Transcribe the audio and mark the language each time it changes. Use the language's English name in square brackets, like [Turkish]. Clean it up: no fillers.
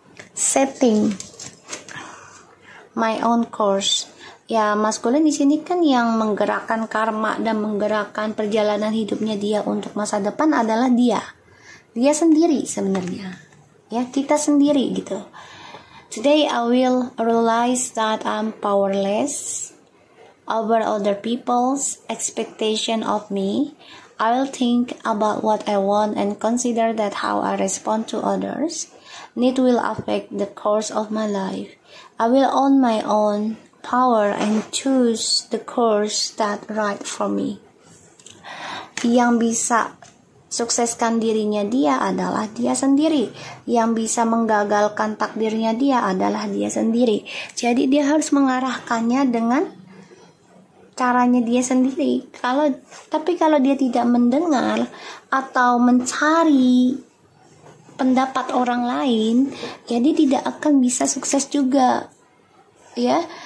[English] Setting my own course. [Indonesian] Ya, maskulin di sini kan yang menggerakkan karma dan menggerakkan perjalanan hidupnya dia untuk masa depan adalah dia. Dia sendiri sebenarnya. Ya, kita sendiri gitu. [English] Today I will realize that I'm powerless over other people's expectation of me. I will think about what I want and consider that how I respond to others. It will affect the course of my life. I will own my own power and choose the course that right for me. [Indonesian] Yang bisa sukseskan dirinya dia adalah dia sendiri. Yang bisa menggagalkan takdirnya dia adalah dia sendiri. Jadi dia harus mengarahkannya dengan caranya dia sendiri. Kalau dia tidak mendengar atau mencari pendapat orang lain, jadi tidak akan bisa sukses juga. Ya.